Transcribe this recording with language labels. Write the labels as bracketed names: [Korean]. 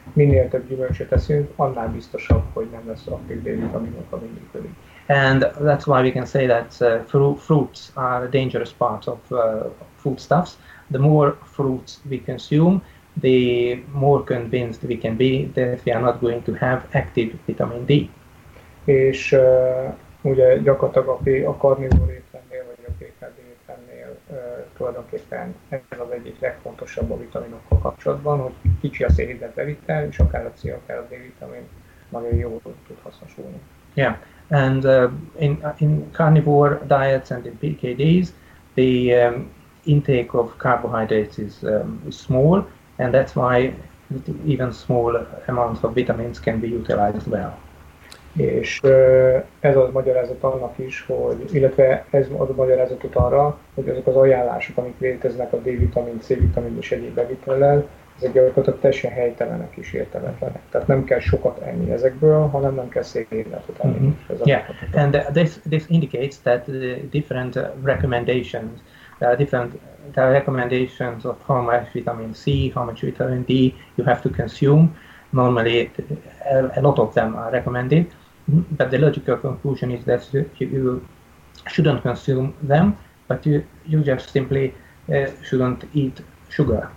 [Hungarian] Minél több gyümölcsöt eszünk, annál biztosabb, hogy nem lesz aktív D-vitaminok, ami működik. [English] And that's why we can say that fruits are a dangerous part of foodstuffs. The more fruits we consume, the more convinced we can be that we are not going to have active vitamin D. [Hungarian] És ugye gyakorlatilag a karnivor étrendnél vagy a PKD étrendnél tulajdonképpen ez az egyik legfontosabb a vitaminokkal kapcsolatban, hogy kicsi a szénhidrát bevitel, és akár a C, akár a D-vitamin nagyon jól tud hasznosulni. Yeah. [English] And in carnivore diets and in PKDs, the intake of carbohydrates is small, and that's why even small amounts of vitamins can be utilized well. [Hungarian] És ez az magyarázat annak is, hogy illetve ez az a magyarázatot arra, hogy azok az ajánlások, amik léteznek a D-vitamin, C-vitamin és egyéb bevitellel, ezek gyakorlatilag teljesen helytelenek és értelmetlenek. Tehát nem kell sokat enni ezekből, hanem nem kell szénhidrátot enni. Mm-hmm. [English] Yeah, and this indicates that the different recommendations, there are recommendations of how much vitamin C, how much vitamin D you have to consume. Normally, a lot of them are recommended, but the logical conclusion is that you shouldn't consume them, but you just simply shouldn't eat sugar.